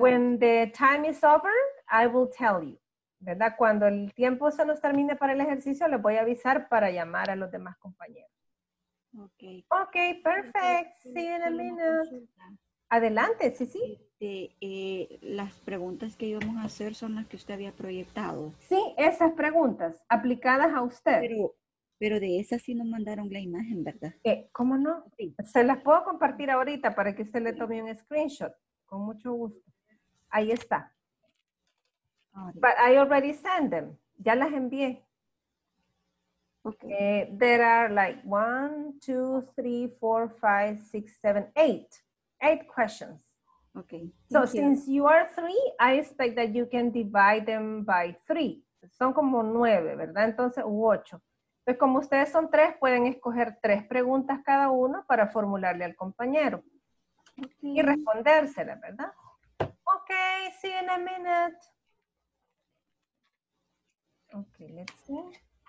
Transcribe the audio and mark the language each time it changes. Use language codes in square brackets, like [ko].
[en] When the time is over, I will tell you. [es] ¿Verdad? Cuando el tiempo se nos termine para el ejercicio, les voy a avisar para llamar a los demás compañeros. [en] Ok. Ok, perfect. Okay. See you in a minute. [es] Adelante, sí, sí. Las preguntas que íbamos a hacer son las que usted había proyectado. Sí, esas preguntas aplicadas a usted. Pero de esas sí nos mandaron la imagen, ¿verdad? ¿Cómo no? Sí. Se las puedo compartir ahorita para que usted le tome un screenshot. Con mucho gusto. Ahí está. Ahorita. [en] But I already sent them. [es] Ya las envié. [en] Okay. There are like 1, 2, 3, 4, 5, 6, 7, 8. 8 questions. Okay. So since you are 3, I expect that you can divide them by 3. [es] Son como 9, ¿verdad? Entonces, u 8. Entonces, como ustedes son 3, pueden escoger 3 preguntas cada uno para formularle al compañero. [en] Okay. [es] Y respondérsela, ¿verdad? [en] Okay, see you in a minute. Okay, let's see.